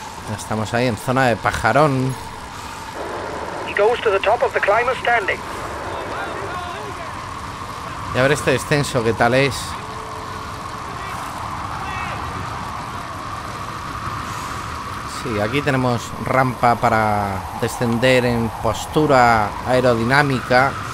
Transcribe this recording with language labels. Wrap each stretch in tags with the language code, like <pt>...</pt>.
<es>Ya estamos ahí en zona de pajarón.</es> <en>He goes to the top of the climber standing.</en> <es>Y a ver este descenso, ¿qué tal es? Sí, aquí tenemos rampa para descender en postura aerodinámica.</es>